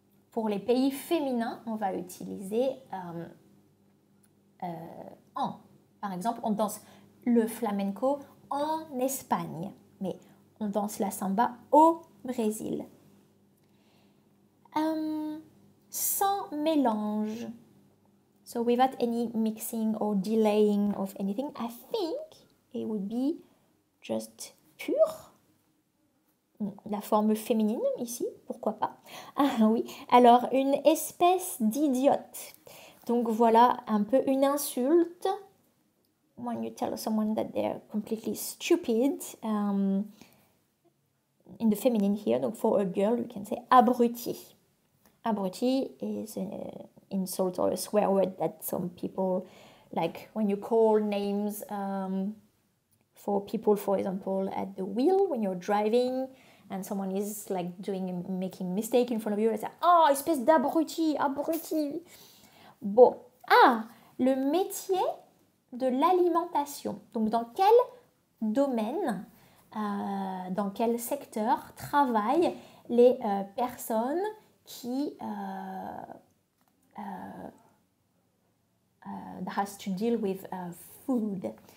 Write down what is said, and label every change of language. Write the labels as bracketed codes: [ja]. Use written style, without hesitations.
[fr] Pour les pays féminins, on va utiliser en. Par exemple, on danse le flamenco en Espagne. Mais on danse la samba au Brésil. Sans mélange. [en] So without any mixing or delaying of anything, I think it would be just pure. [fr] La forme féminine ici, pourquoi pas. Ah oui, alors une espèce d'idiote. Donc voilà un peu une insulte. [en] When you tell someone that they're completely stupid, in the feminine here, donc for a girl, you can say abruti. Abruti is an insult or a swear word that some people, like when you call names for people, for example, at the wheel when you're driving and someone is like making a mistake in front of you, it's like, [fr] oh, espèce d'abruti, abruti. Bon, ah, le métier de l'alimentation. Donc, dans quel domaine, dans quel secteur travaillent les personnes qui [en] that has to deal with food?